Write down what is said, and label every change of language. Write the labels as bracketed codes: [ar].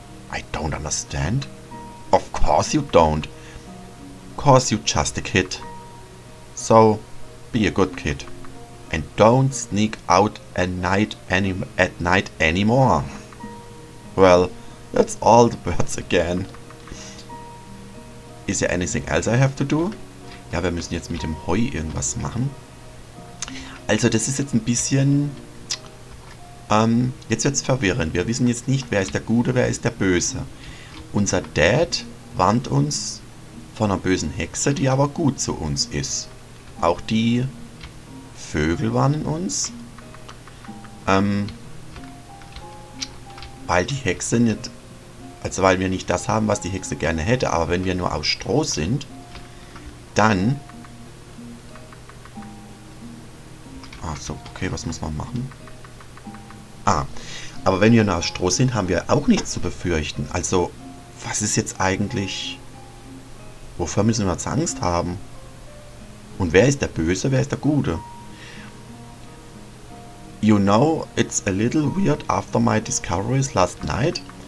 [en] I don't understand. Of course you don't. Cause you're just a kid. So, be a good kid. And don't sneak out at night anymore. Well, that's all the birds again. Is there anything else I have to do? [de] Ja, wir müssen jetzt mit dem Heu irgendwas machen. Also, das ist jetzt ein bisschen... jetzt wird's verwirrend. Wir wissen jetzt nicht, wer ist der Gute, wer ist der Böse. Unser Dad warnt uns von einer bösen Hexe, die aber gut zu uns ist. Auch die Vögel warnen uns. Weil die Hexe nicht... Also, weil wir nicht das haben, was die Hexe gerne hätte. Aber wenn wir nur aus Stroh sind, dann... Achso, okay, was muss man machen? Ah, aber wenn wir nur aus Stroh sind, haben wir auch nichts zu befürchten. Also, was ist jetzt eigentlich... Wofür müssen wir jetzt Angst haben? Und wer ist der Böse, wer ist der Gute? [en] You know, it's a little weird after my discoveries last night.